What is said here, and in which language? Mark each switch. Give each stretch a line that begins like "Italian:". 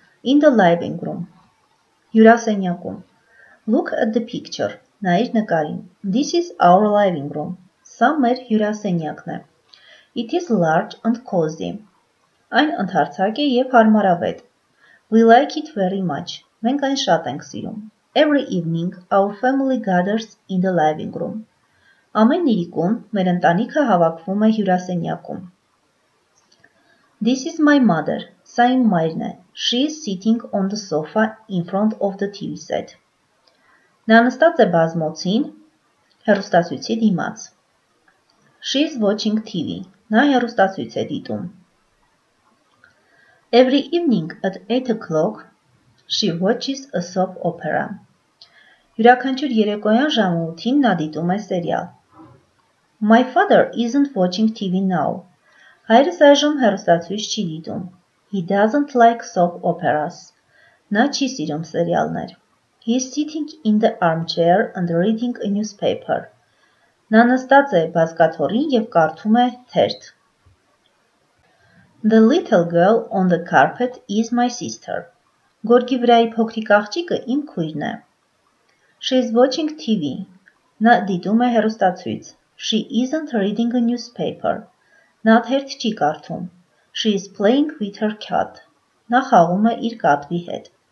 English: In the living room.
Armenian: Հյուրասենյակում.
English: Look at the picture.
Armenian: Նայիր նկարին.
English: This is our living room.
Armenian: Սա մեր հյուրասենյակն է.
English: It is large and cozy.
Armenian: Այն ընդարձակ է եւ հարմարավետ.
English: We like it very much.
Armenian: Մենք այն շատ ենք սիրում.
English: Every evening our family gathers in the living room.
Armenian: Ամեն երիկոն մեր ընտանիքը հավաքվում է հյուրասենյակում.
English: This is my mother.
Armenian: Սա իմ մայրն է.
English: She is sitting on the sofa in front of the TV set.
Armenian: Նա նստած է բազմոցին, հեռուստացույցի դիմաց.
English: She is watching TV.
Armenian: Նա հեռուստացույց է դիտում.
English: Every evening at 8 o'clock, she watches a soap opera.
Armenian: Յուրաքանչյուր երեկոյան ժամը 8-ին նա դիտում է սերիալ.
English: My father isn't watching TV now.
Armenian: Հայրս այժմ հեռուստացույց չի դիտում.
English: He doesn't like soap operas.
Armenian: Նա չի սիրում սերիալներ.
English: He is sitting in the armchair and reading a newspaper.
Armenian: Նա նստած է բազկաթոռին եւ կարդում է թերթ.
English: The little girl on the carpet is my sister.
Armenian: Գորգի վրայի փոքրիկ աղջիկը իմ քույրն է.
English: She is watching TV.
Armenian: Նա դիտում է հեռուստացույց.
English: She isn't reading a newspaper.
Armenian: Նա թերթ չի կարդում.
English: She is playing with her cat.
Armenian: Նա խաղում է իր կատվի հետ.